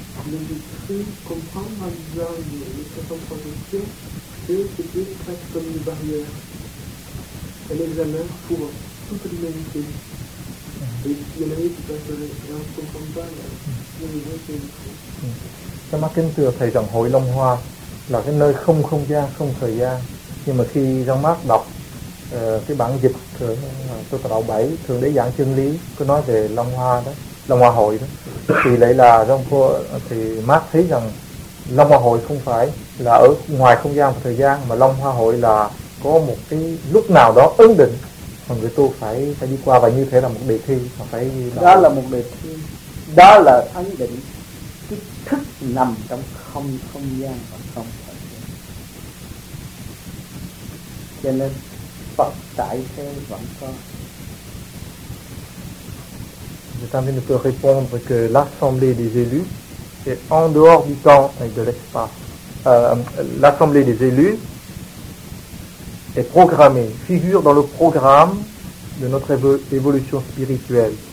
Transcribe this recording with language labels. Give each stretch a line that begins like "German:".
French: Mais j'ai cru comprendre en disant les 60 projections. C'était presque comme une barrière, un examen pour toute l'humanité. Et il y en avait qui passeraient, et on ne comprend pas la vie de l'humanité. Ça m'a
Vietnamese: kính thưa thầy rằng hội Long Hoa là cái nơi không không gian, không thời gian. Nhưng mà khi Jean-Marc đọc cái bản dịch của Tôn Đạo Bảy, Thượng Đế Giảng Chân Lý, có nói về Long Hoa đó, Long Hoa Hội đó, thì lại là thì Marc thấy rằng Long Hoa Hội không phải là ở ngoài không gian và thời gian, mà Long Hoa Hội là có một cái lúc nào đó ấn định mà người tu phải đi qua, và như thế là một đề thi, mà phải đọc. Đó là một đề thi, đó là ấn định. Cái thức nằm trong không không gian và không thời gian. Cho nên Phật tại thế vẫn có.
French: Je suis en train de te répondre que l'assemblée des élus est en dehors du temps et de l'espace. L'assemblée des élus est programmée, figure dans le programme de notre évolution spirituelle.